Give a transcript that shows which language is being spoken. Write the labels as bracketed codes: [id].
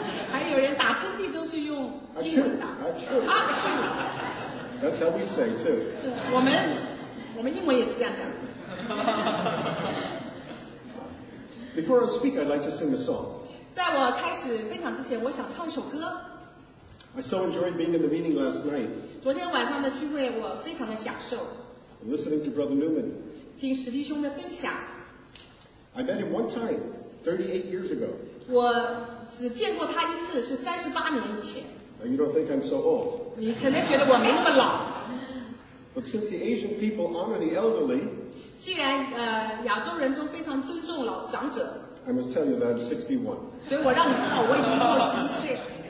[zh] 还有人打喷嚏都是用英文打。 [en] Achoo. That's how we say too. [zh] 我们英文也是这样讲。 [en] Before I speak, I'd like to sing a song. [zh] 在我开始分享之前，我想唱一首歌。 [en] I so enjoyed being in the meeting last night. [zh] 昨天晚上的聚会我非常的享受。 [en] I'm listening to Brother Newman. [zh] 听史弟兄的分享。 [en] I met him one time, 38 years ago. [zh] 我只见过他一次，是38年以前。 [en] Now you don't think I'm so old. [zh] 你可能觉得我没那么老。 [en] But since the Asian people honor the elderly, [zh] 既然亚洲人都非常尊重老长者。 [en] I must tell you that I'm 61. [zh] 所以我让你知道我已经61岁。